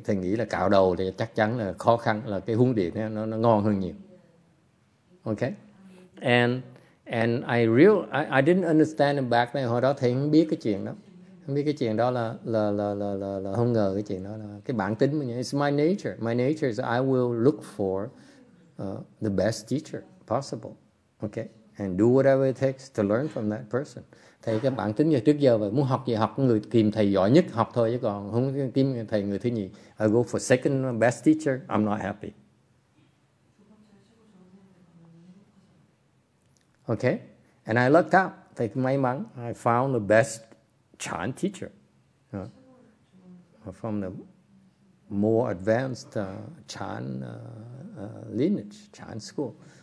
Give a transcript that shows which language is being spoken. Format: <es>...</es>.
<vi>Thầy nghĩ là cạo đầu thì chắc chắn là khó khăn, là cái huấn luyện nó ngon hơn nhiều.</vi> <en>Okay, and I didn't understand it back then.</en> <vi>Hồi đó thầy không biết cái chuyện đó, không biết cái chuyện đó là không ngờ cái chuyện đó là cái bản tính mình.</vi> <en>It's my nature. My nature is I will look for the best teacher possible. Okay. And do whatever it takes to learn from that person.</en> <vi>Thầy các bạn tính như trước giờ vậy, muốn học gì học người tìm thầy giỏi nhất học thôi, chứ còn không tìm thầy người thứ nhì.</vi> <en>I go for second best teacher, I'm not happy. Okay? And I looked up,</en> <vi>thầy may mắn,</vi> <en>I found the best Chan teacher. From the more advanced Chan lineage, Chan school.</en>